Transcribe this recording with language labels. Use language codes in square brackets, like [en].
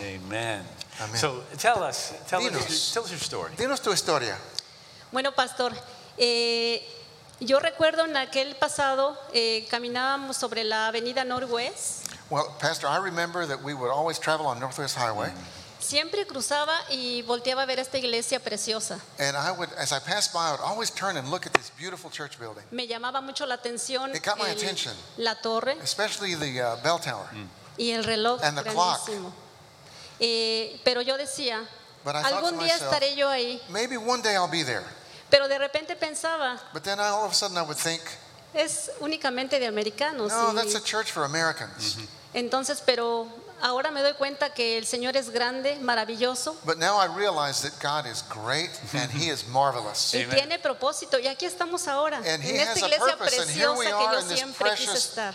[en] Amen. Amen. So tell us your story. [es] Dinos tu historia. Bueno, pastor, yo recuerdo en aquel pasado caminábamos sobre la avenida Northwest. [en] Well, pastor, I remember that we would always travel on Northwest Highway. [es] Siempre cruzaba y volteaba a ver esta iglesia preciosa. [en] And I would, as I passed by, I would always turn and look at this beautiful church building. [es] Me llamaba mucho la atención. [en] It caught my attention. [es] La torre. [en] Especially the bell tower. [es] Y el reloj. [en] And the clock. [es] Pero yo decía, algún día estaré yo ahí. [en] Maybe one day I'll be there. [es] Pero de repente pensaba. [en] But then all of a sudden I would think. [es] Es únicamente de americanos. [en] No, that's a church for Americans. [es] Entonces, pero ahora me doy cuenta que el Señor es grande, maravilloso. [en] But now I realize that God is great and he is marvelous. [es] Y tiene propósito y aquí estamos ahora en esta iglesia preciosa que yo siempre quise estar.